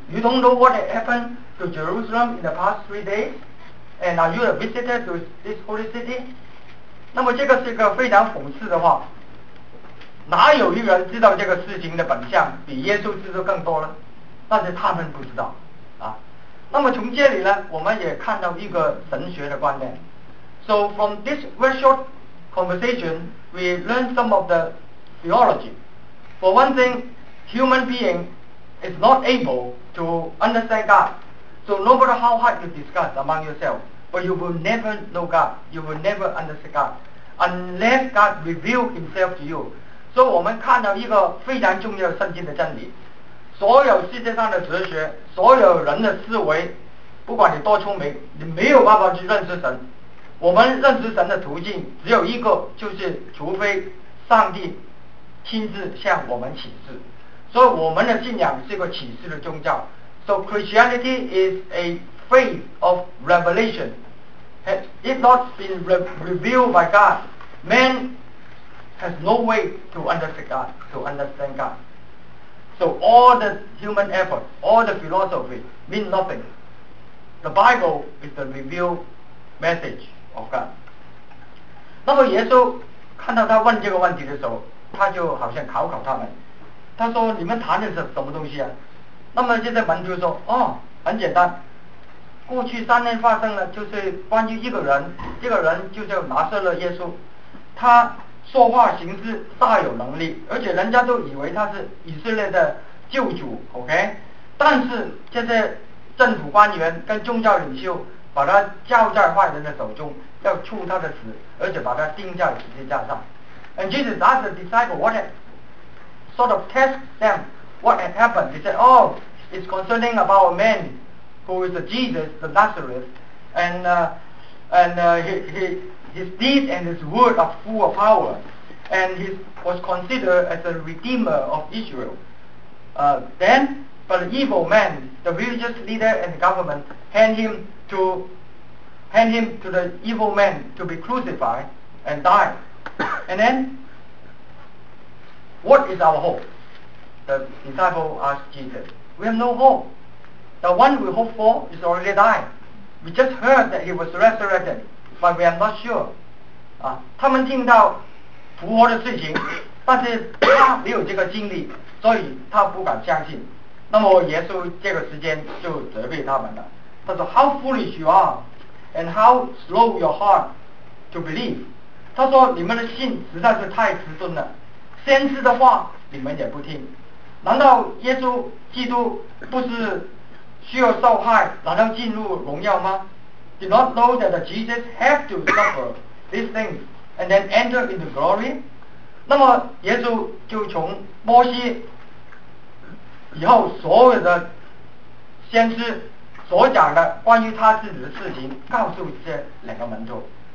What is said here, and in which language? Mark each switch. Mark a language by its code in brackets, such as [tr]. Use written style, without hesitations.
[en] You don't know what happened to Jerusalem in the past 3 days? And are you a visitor to this holy city? [zh] 那么这个是一个非常讽刺的话，哪有一个人知道这个事情的本相比耶稣知道更多呢？但是他们不知道啊。那么从这里呢，我们也看到一个神学的观念。 [en] So from this very short conversation, we learn some of the theology. For one thing, human being is not able to understand God. So no matter how hard you discuss among yourself, but you will never know God, you will never understand God, unless God reveal himself to you. [zh] 所以我们看到一个非常重要的圣经的真理，所有世界上的哲学，所有人的思维，不管你多聪明，你没有办法去认识神。我们认识神的途径只有一个，就是除非上帝亲自向我们启示。所以我们的信仰是一个启示的宗教， [en] So Christianity is a faith of revelation. If not been revealed by God, man has no way to understand God. So all the human effort, all the philosophy mean nothing. The Bible is the revealed message of God. [zh] 那么耶稣看到他问这个问题的时候，他就好像考考他们，他说你们谈的是什么东西啊？那么这些门徒说，哦，很简单，过去三年发生了，就是关于一个人，这个人就叫拿撒勒耶稣，他说话行事大有能力，而且人家都以为他是以色列的救主 ，OK？但是这些政府官员跟宗教领袖把他交在坏人的手中，要处他的死，而且把他钉在十字架上。 [en] And Jesus asked the disciple what had sort of test them what had happened. He said, "Oh, it's concerning about a man who is Jesus, the Nazareth, and his deeds and his word are full of power, and he was considered as a redeemer of Israel. Then, but the evil man, the religious leader and the government, hand him to the evil man to be crucified and die. And then, what is our hope?" The disciple asked Jesus, "We have no hope. The one we hope for is already died. We just heard that he was resurrected, but we are not sure." [zh] 他们听到复活的事情，但是他没有这个经历，所以他不敢相信。那么耶稣这个时间就责备他们了，他说 [en] "How foolish you are, and how slow your heart to believe." [zh] 他说你们的信实在是太迟钝了，先知的话你们也不听。难道耶稣基督不是需要受害，然后进入荣耀吗？ [en] Did not know that Jesus had to suffer these things and then enter into glory? [zh] 那么耶稣就从摩西以后所有的先知所讲的关于他自己的事情告诉这两个门徒。